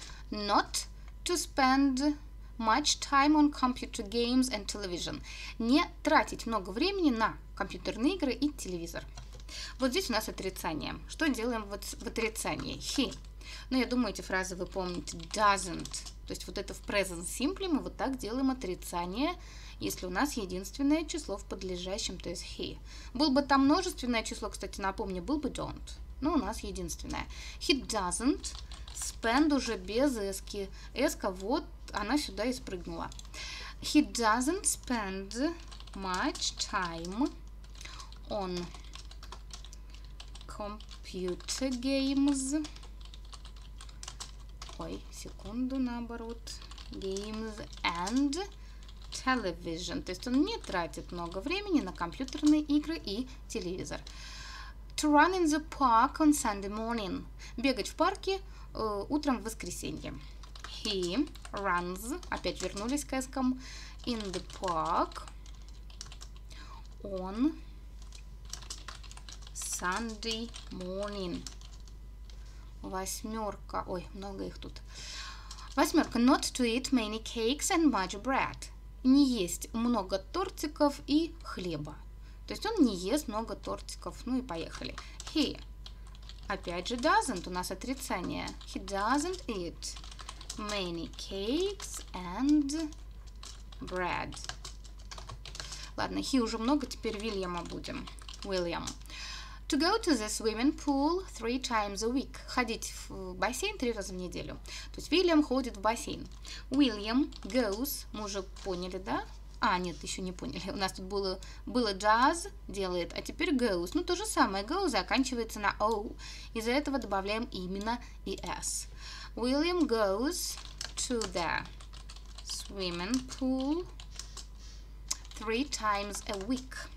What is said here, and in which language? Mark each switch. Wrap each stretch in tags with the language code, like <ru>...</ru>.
<en>Not to spend much time on computer games and television.</en> <ru>Не тратить много времени на компьютерные игры и телевизор. Вот здесь у нас отрицание. Что делаем вот в отрицании?</ru> <en>He.</en> <ru>Ну, я думаю, эти фразы вы помните.</ru> <en>Doesn't.</en> <ru>То есть вот это в present simple мы вот так делаем отрицание, если у нас единственное число в подлежащем, то есть he. Был бы там множественное число, кстати, напомню, был бы don't. Но у нас единственное.</ru> <en>He doesn't spend</en> <ru>уже без эски. Эска вот, она сюда и спрыгнула.</ru> <en>He doesn't spend much time on computer games.</en> <ru>Ой, секунду, наоборот.</ru> <en>Games and television.</en> <ru>То есть он не тратит много времени на компьютерные игры и телевизор.</ru> <en>To run in the park on Sunday morning.</en> <ru>Бегать в парке утром в воскресенье.</ru> <en>He runs,</en> <ru>опять вернулись к эскам,</ru> <en>in the park on Sunday morning.</en> <ru>Восьмерка. Ой, много их тут. Восьмерка.</ru> <en>Not to eat many cakes and much bread.</en> <ru>Не есть много тортиков и хлеба. То есть он не ест много тортиков. Ну и поехали. He. Опять же doesn't. У нас отрицание.</ru> <en>He doesn't eat many cakes and bread.</en> <ru>Ладно, he уже много. Теперь Вильяма будем. William.</ru> <en>To go to the swimming pool three times a week.</en> <ru>Ходить в бассейн три раза в неделю. То есть Вильям ходит в бассейн.</ru> <en>William goes.</en> <ru>Мы уже поняли, да? А, нет, еще не поняли. У нас тут было does, делает, а теперь goes. Ну, то же самое. Go заканчивается на o. Из-за этого добавляем именно и s.</ru> <en>William goes to the swimming pool three times a week.</en>